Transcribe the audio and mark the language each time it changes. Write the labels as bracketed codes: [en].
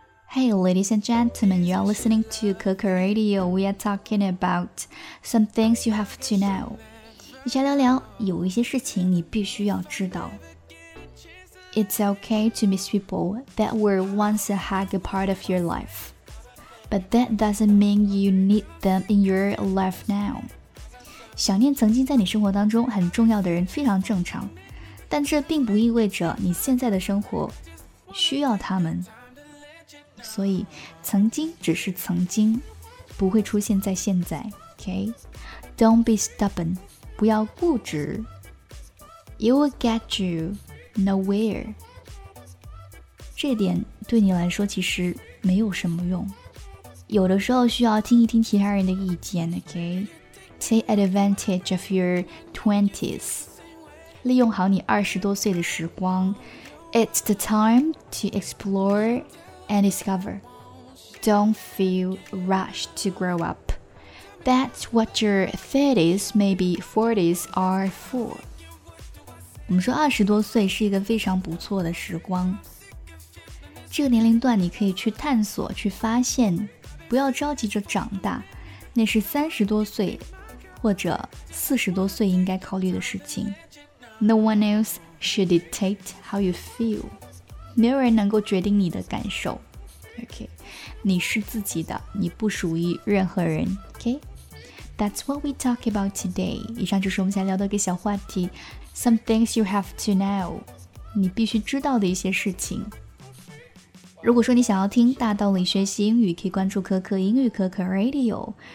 [en] Hey, ladies and gentlemen, you are listening to Coco Radio. We are talking about some things you have to know. [zh] 一起聊聊有一些事情你必须要知道。 [en] It's okay to miss people that were once a huge part of your life, but that doesn't mean you need them in your life now. [zh] 想念曾经在你生活当中很重要的人非常正常，但这并不意味着你现在的生活需要他们。所以，曾经只是曾经，不会出现在现在。 [en] Okay, don't be stubborn. [zh] 不要固执。 [en] It will get you. Nowhere. [zh] 这点对你来说其实没有什么用。有的时候需要听一听其他人的意见 , [en] okay? Take advantage of your 20s. [zh] 利用好你二十多岁的时光。 [en] It's the time to explore and discover. Don't feel rushed to grow up. That's what your 30s, maybe 40s are for. [zh] 我们说二十多岁是一个非常不错的时光，这个年龄段你可以去探索去发现，不要着急着长大，那是三十多岁或者四十多岁应该考虑的事情。 [en] No one else should dictate how you feel. [zh] 没有人能够决定你的感受。OK, 你是自己的，你不属于任何人。 [en] OK, That's what we talk about today. [zh] 以上就是我们想聊的一个小话题， [en] Some things you have to know. [zh] 你必须知道的一些事情。如果说你想要听大道理学习英语，可以关注可可英语可可 Radio.